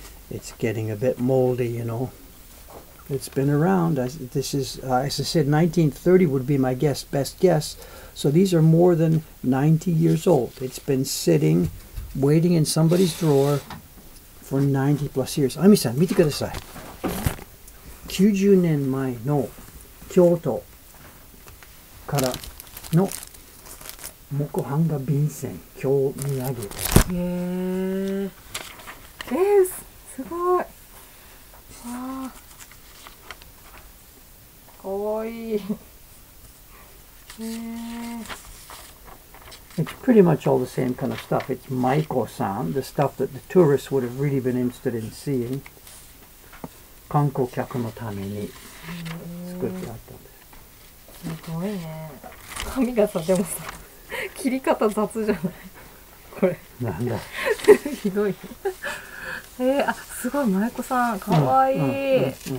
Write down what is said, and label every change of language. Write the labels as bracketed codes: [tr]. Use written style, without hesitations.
[en] It's getting a bit moldy, you know. It's been around. This is, as I said, 1930 would be my guess, best guess. So these are more than 90 years old. It's been sitting, waiting in somebody's drawer for 90 plus years. [ja] Ami-san, mite kudasai. 90年前の京都からの木版画便箋、京土産です。 へー。すごい。わー。かわいい。 [en] It's pretty much all the same kind of stuff. It's Maiko-san, the stuff that the tourists would have really been interested in seeing. [ja] 観光客のために作ってあったんです。 すごいね。髪がさ、でもさ、切り方雑じゃない。これ。なんだ。ひどい。あ、すごい、舞子さん、かわいい。